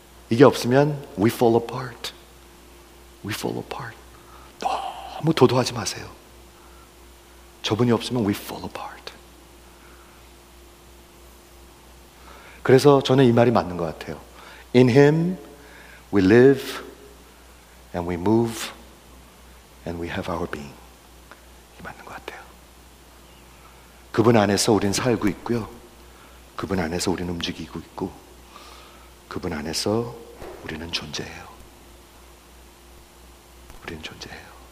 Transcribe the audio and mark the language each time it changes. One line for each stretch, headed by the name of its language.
Korean: 이게 없으면
English: we fall apart. We fall apart.
Korean: 너무 도도하지 마세요. 저분이 없으면
English: we fall apart.
Korean: 그래서 저는 이 말이 맞는 것 같아요.
English: In him we live and we move and we have our being.
Korean: 이 맞는 것 같아요. 그분 안에서 우린 살고 있고요. 그분 안에서 우리는 움직이고 있고 그분 안에서 우리는 존재해요. 우리는 존재해요.